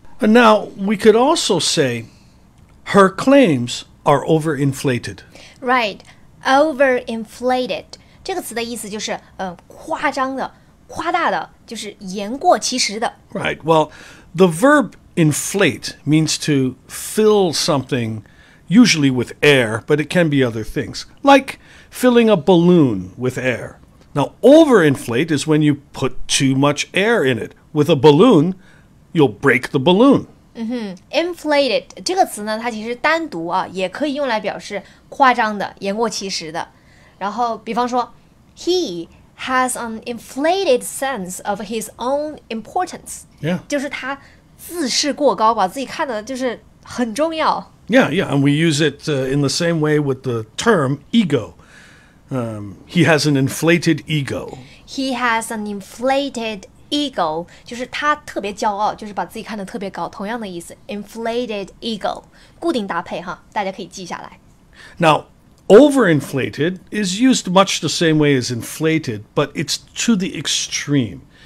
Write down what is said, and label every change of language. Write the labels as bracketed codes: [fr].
[en] And now we could also say her claims are overinflated. Right, overinflated. [zh] 这个词的意思就是、夸张的、夸大的，就是言过其实的。 [en] Right, well, the verb inflate means to fill something, usually with air, but it can be other things, like filling a balloon with air. Now, overinflate is when you put too much air in it. With a balloon, you'll break the balloon. [zh] Inflated 这个词呢，它其实单独啊，也可以用来表示夸张的、言过其实的。然后，比方说， [en] he has an inflated sense of his own importance. Yeah. [zh] 就是他自视过高，把自己看得就是很重要。 [en] Yeah, yeah, and we use it、in the same way with the term ego. He has an inflated ego. He has an inflated ego. [zh] 就是他特别骄傲，就是把自己看得特别高，同样的意思。 [en] Inflated ego. [zh] 固定搭配哈，大家可以记下来。 [en] Now, overinflated is used much the same way as inflated, but it's to the extreme.